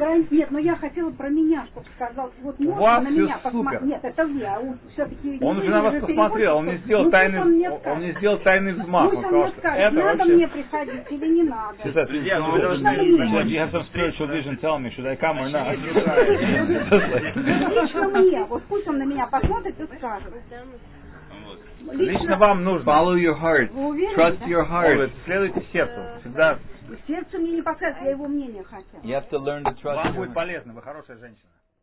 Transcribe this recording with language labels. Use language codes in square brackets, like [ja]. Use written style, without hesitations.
[ru] Нет, но я хотела про меня, чтобы сказал. Вот можно на меня посмотреть? У вас все супер. Нет, это вы, а все-таки... Он уже на вас посмотрел, он мне сделал тайный взмах. Он мне скажет, надо мне приходить или не надо. Сейчас, друзья, мы должны... [en] You have some spiritual vision, tell me, should I come or not? [ru] Лично мне, вот пусть он на меня посмотрит и скажет. Лично вам нужно. [en] Follow your heart. [ru] Уверены, [en] trust [ru] да? [en] your heart. [ru] Ой, следуйте сердцу. Всегда. Сердце мне не подсказывает, я его мнение хотел. [en] You have to learn to trust [ru] вам будет полезно, вы хорошая женщина.